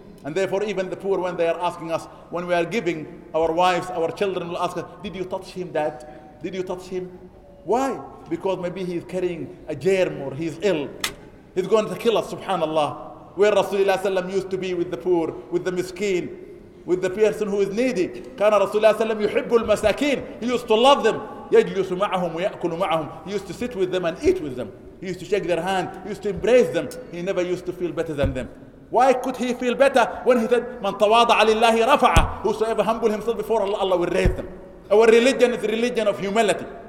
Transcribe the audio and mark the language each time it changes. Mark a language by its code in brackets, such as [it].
[en] And therefore, even the poor, when they are asking us, when we are giving, our wives, our children will ask us, did you touch him, Dad? Did you touch him? Why? Because maybe he is carrying a germ or he's ill. He's going to kill us, subhanallah. Where Rasulullah sallam used to be with the poor, with the miskeen, with the person who is needy. [ar] كان رسول الله سلم يحب المساكين. [en] He used to love them. [ar] يجلس معهم ويأكل معهم. [en] He used to sit with them and eat with them. He used to shake their hand. He used to embrace them. He never used to feel better than them. Why could he feel better when he said, [ar] "Man tawada'a lillahi rafa'a"? [en] Whosoever humble himself before Allah, Allah will raise them. Our religion is a religion of humility.